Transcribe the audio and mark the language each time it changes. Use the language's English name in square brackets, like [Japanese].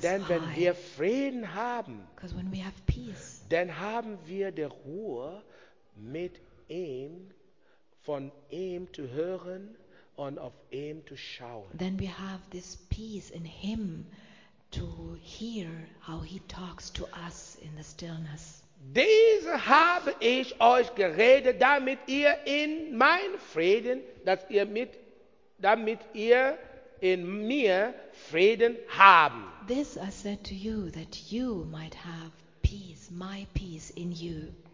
[German] denn [English] high. [German] Denn wenn wir Frieden haben, [English] because when we have peace, [German] dann haben wir die Ruhe mit ihm, von ihm zu hören und auf ihm zu schauen. [English] Then we have this peace in him to hear how he talks to us in the stillness. [German] Diese habe ich euch geredet, damit ihr in mein Frieden, damit ihr in mir Frieden haben. [English] This I said to you that you might have peace, my peace in you.